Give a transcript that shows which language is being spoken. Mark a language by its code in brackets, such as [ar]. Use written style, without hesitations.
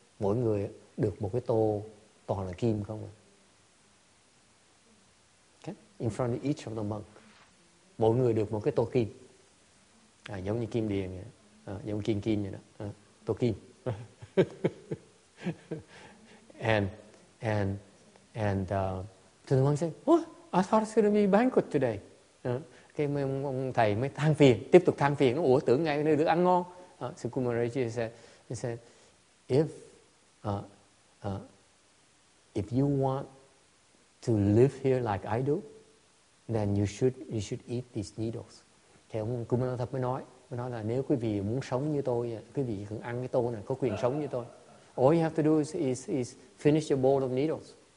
[vi] Mỗi người được một cái tô toàn là kim không? [en] Okay. In front of each of the monk. [vi] Mỗi người được một cái tô kim. À, giống như kim điền vậy. À, giống kim vậy đó. À, tô kim. [en] And the monk said, "What? I thought it's going to be banquet today." [vi] Cái ông thầy mới than phiền, tiếp tục than phiền. Ủa, tưởng ngày nay được ăn ngon. [en] So Kumaraji said, if you want to live here like I do, then you should eat these needles. [vi] Thì ông Kumaraji mới nói là nếu quý vị muốn sống như tôi, quý vị cần ăn cái tô này, có quyền sống như tôi. [en] All you have to do is finish your bowl of needles.